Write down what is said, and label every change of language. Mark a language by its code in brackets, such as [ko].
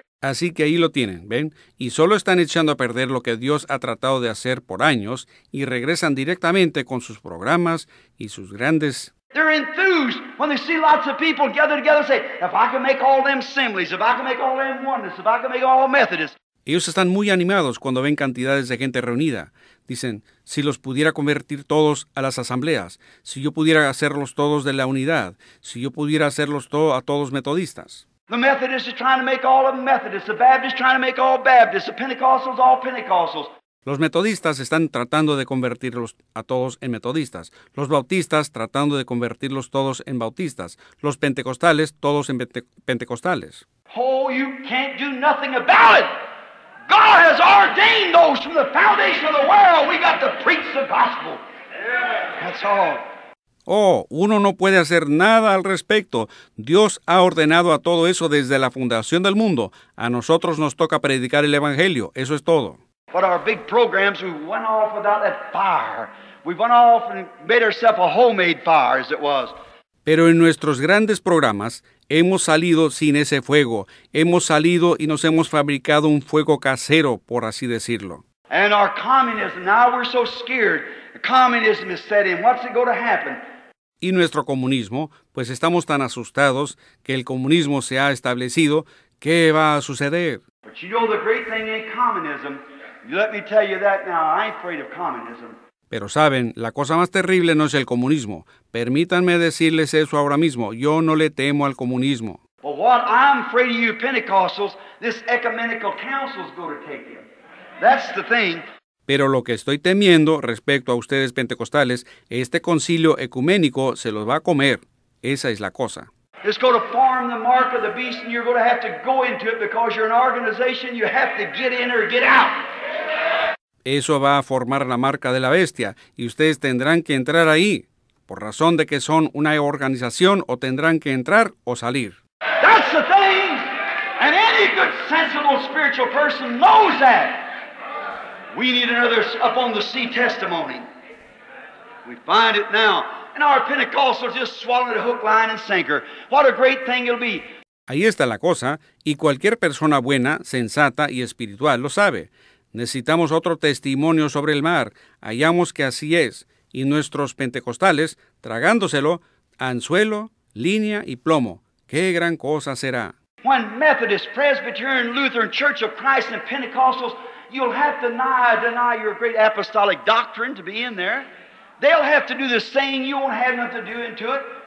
[es] Así que ahí lo tienen, ¿ven? Y solo están echando a perder lo que Dios ha tratado de hacer por años y regresan directamente con sus programas y sus grandes... [en] They're enthused when they see lots of people gather together and say, if I can make all them assemblies, if I can make all them oneness, if I can make all Methodists. [es] Ellos están muy animados cuando ven cantidades de gente reunida. Dicen, si los pudiera convertir todos a las asambleas, si yo pudiera hacerlos todos de la unidad, si yo pudiera hacerlos a todos metodistas. [en] The Methodists are trying to make all of them Methodists. The Baptists are trying to make all Baptists. The Pentecostals, all Pentecostals. [es] Los metodistas están tratando de convertirlos a todos en metodistas. Los bautistas tratando de convertirlos todos en bautistas. Los pentecostales todos en pentecostales. [en] Oh, you can't do nothing about it. God has ordained those from the foundation of the world. We got to preach the gospel. That's all. [es] Oh, uno no puede hacer nada al respecto. Dios ha ordenado a todo eso desde la fundación del mundo. A nosotros nos toca predicar el evangelio. Eso es todo. [en] But our big programs, we went off without that fire. We went off and made ourselves a homemade fire, as it was. [es] Pero en nuestros grandes programas, hemos salido sin ese fuego. Hemos salido y nos hemos fabricado un fuego casero, por así decirlo. [en] And our communism, now we're so scared. Communism is set in. What's it going to happen? [es] Y nuestro comunismo, pues estamos tan asustados que el comunismo se ha establecido. ¿Qué va a suceder? [en] But you know the great thing in communism. Let me tell you that now. I ain't afraid of communism. [es] Pero saben, la cosa más terrible no es el comunismo. Permítanme decirles eso ahora mismo. Yo no le temo al comunismo. [en] But what I'm afraid of, you Pentecostals, this ecumenical council is going to take you. That's the thing. [es] Pero lo que estoy temiendo respecto a ustedes pentecostales, este concilio ecuménico se los va a comer. Esa es la cosa. [en] It's going to form the mark of the beast and you're going to have to go into it because you're an organization, you have to get in or get out. [es] Eso va a formar la marca de la bestia y ustedes tendrán que entrar ahí por razón de que son una organización o tendrán que entrar o salir. [en] That's the thing. And any good sensible spiritual person knows that. We need another up on the sea testimony. We find it now. And our Pentecostals just swallowed a hook, line, and sinker. What a great thing it'll be. [es] Ahí está la cosa, y cualquier persona buena, sensata y espiritual lo sabe. Necesitamos otro testimonio sobre el mar. Hallamos que así es. Y nuestros pentecostales, tragándoselo, anzuelo, línea y plomo. ¡Qué gran cosa será! [en] When Methodist, Presbyterian, Lutheran, Church of Christ, and Pentecostals, you'll have to deny your great apostolic doctrine to be in there. They'll have to do the same. You won't have nothing to do into it.